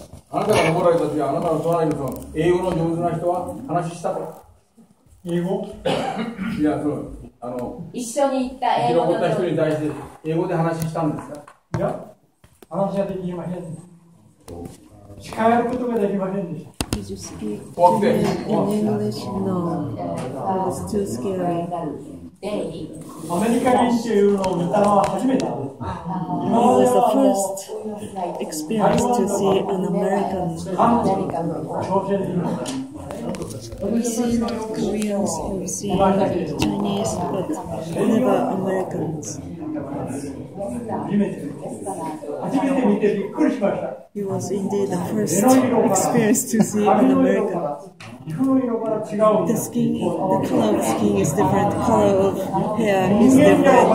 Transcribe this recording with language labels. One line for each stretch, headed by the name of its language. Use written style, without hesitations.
Japanese: あなたが登られた時は、あなたの隣の英語の上手な人は話したと。英語？いや、その、一緒に行った英語の上手な人に対して英語で話したんですか？いや、話はできませんでした。近寄ることができませんでした。
English: Did you speak to me in English? No, I was too scary.
Japanese: アメリカ人っていうのを見たのは初めてです
English: It was the first experience to see an American.
Japanese: 韓国の朝鮮人。
English: We see Koreans, we see Chinese, but never Americans.
Japanese: 初めて見てびっくりしました。
English: He was indeed the first experience to see an American. The skin, the color of skin is different, the color of hair is different.